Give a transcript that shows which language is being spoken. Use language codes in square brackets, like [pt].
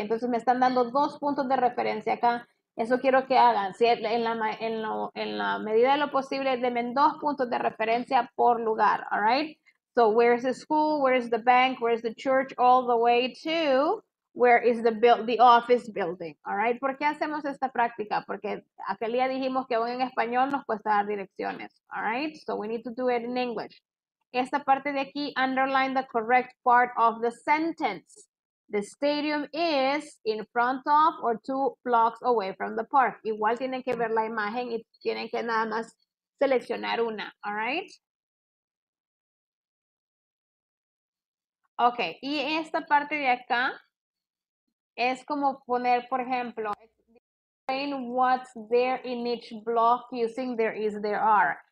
[es] Entonces, me están dando dos puntos de referencia acá. Eso quiero que hagan, ¿sí? en la medida de lo posible, denme dos puntos de referencia por lugar, all right? [en] So, where is the school, where is the bank, where is the church, all the way to where is the office building, all right? [es] ¿Por qué hacemos esta práctica? Porque aquel día dijimos que aún en español nos cuesta dar direcciones, all right? [en] So, we need to do it in English. Esta parte de aquí, underline the correct part of the sentence. The stadium is in front of or two blocks away from the park. [es] Igual tienen que ver la imagen y tienen que nada más seleccionar una, all right? Okay, y esta parte de acá es como poner, por ejemplo, explain what's there in each block using there is, there are.